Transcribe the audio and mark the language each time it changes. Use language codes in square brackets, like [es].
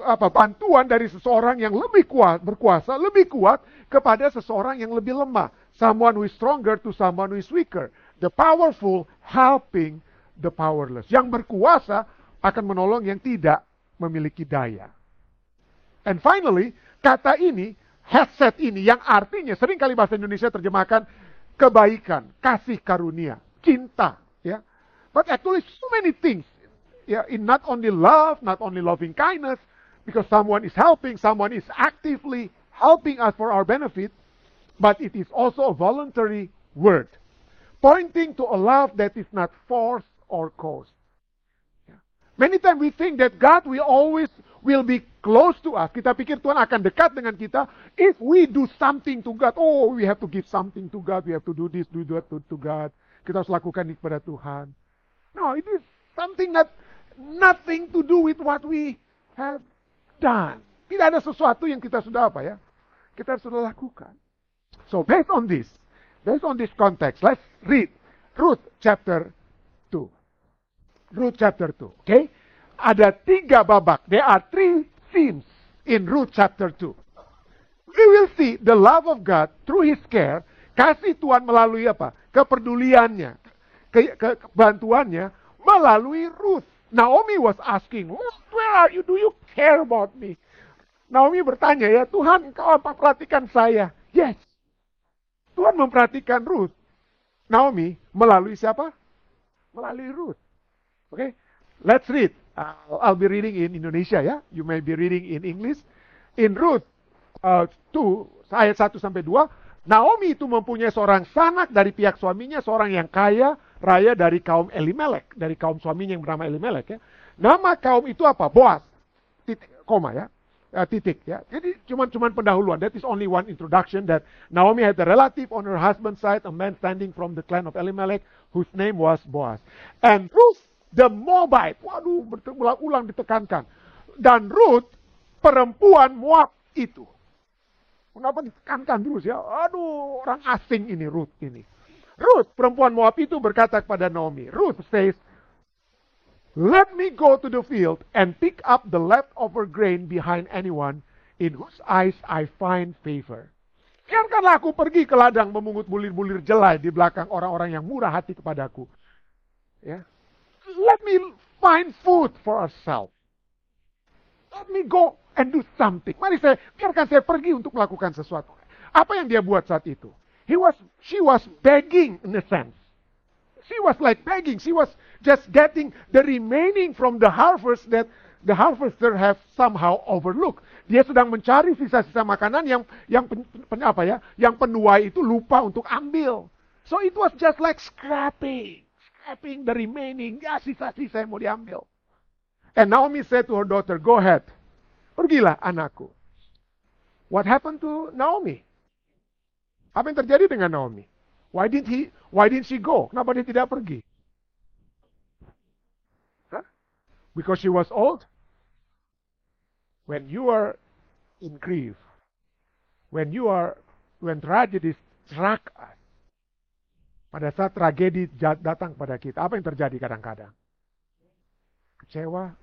[id] Bantuan dari seseorang yang lebih kuat, berkuasa, lebih kuat kepada seseorang yang lebih lemah. [en] Someone who is stronger to someone who is weaker. The powerful helping the powerless. [id] Yang berkuasa akan menolong yang tidak memiliki daya. [en] And finally, [id] kata ini, hesed ini, yang artinya, sering kali bahasa Indonesia terjemahkan kebaikan, kasih karunia, cinta, ya. [en] But actually so many things, ya, in not only love, not only loving kindness, because someone is helping, someone is actively helping us for our benefit, but it is also a voluntary word, pointing to a love that is not forced or coerced. Many times we think that God will always will be close to us. [id] Kita pikir Tuhan akan dekat dengan kita [en] if we do something to God. Oh, we have to give something to God. We have to do this, do that to God. [id] Kita harus lakukan ini kepada Tuhan. [en] No, it is something that nothing to do with what we have done. [id] Tidak ada sesuatu yang kita sudah apa ya? Kita sudah lakukan. [en] So based on this context, let's read Ruth chapter 2. Ruth chapter 2, okay? [id] Ada tiga babak. [en] There are three themes in Ruth chapter 2. We will see the love of God through his care, [id] kasih Tuhan melalui apa? Kepeduliannya, kebantuannya, melalui Ruth. [en] Naomi was asking, Ruth, where are you? Do you care about me? [id] Naomi bertanya, ya, Tuhan, engkau apa perhatikan saya? [en] Yes. [id] Tuhan memperhatikan Ruth. Naomi, melalui siapa? Melalui Ruth. [en] Okay, let's read. I'll be reading in Indonesia, ya. Yeah? You may be reading in English. [id] In Ruth 2, ayat 1-2, Naomi itu mempunyai seorang sanak dari pihak suaminya, seorang yang kaya raya dari kaum Elimelek, dari kaum suaminya yang bernama Elimelek, ya. Nama kaum itu apa? Boaz. Titik, koma, ya. Titik, ya. Jadi cuma pendahuluan. [en] That is only one introduction that Naomi had a relative on her husband's side, a man standing from the clan of Elimelek, whose name was Boaz. And Ruth the Moabite, [id] waduh, berulang-ulang ditekankan. Dan Ruth, perempuan Moab itu. Kenapa ditekankan terus ya? Aduh, orang asing ini Ruth ini. Ruth, perempuan Moab itu berkata kepada Naomi. [en] Ruth says, let me go to the field and pick up the leftover grain behind anyone in whose eyes I find favor. [id] Biarkanlah aku pergi ke ladang memungut bulir-bulir jelai di belakang orang-orang yang murah hati kepadaku. Ya. [en] Let me find food for ourselves. Let me go and do something. [id] Mari saya, biarkan saya pergi untuk melakukan sesuatu. Apa yang dia buat saat itu? [en] She was begging in a sense. She was like begging. She was just getting the remaining from the harvest that the harvester have somehow overlooked. [id] Dia sedang mencari sisa-sisa makanan yang penuai itu lupa untuk ambil. [en] So it was just like scrapping the remaining, [id] ya sisa-sisa yang mau diambil. [en] And Naomi said to her daughter, go ahead, [id] pergilah anakku. [en] What happened to Naomi? [id] Apa yang terjadi dengan Naomi? [en] Why didn't she go? [id] Kenapa dia tidak pergi? [en] Huh? Because she was old? When you are in grief, when tragedy struck us, [id] pada saat tragedi datang kepada kita, apa yang terjadi kadang-kadang? Kecewa.